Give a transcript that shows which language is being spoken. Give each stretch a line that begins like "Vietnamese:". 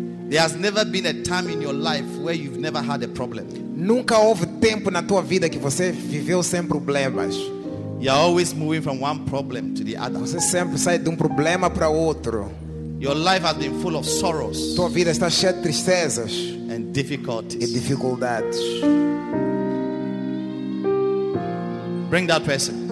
English: There has never been a time in your life where you've never had a problem.
Portuguese: Nunca houve tempo na tua vida que você viveu sem problemas.
English: You are always moving from one problem to the other.
Portuguese: Você sempre sai de problema para outro.
English: Your life has been full of sorrows.
Portuguese: Tua vida está cheia de tristezas.
English: And difficulties.
Portuguese: E dificuldades.
English: Bring that person.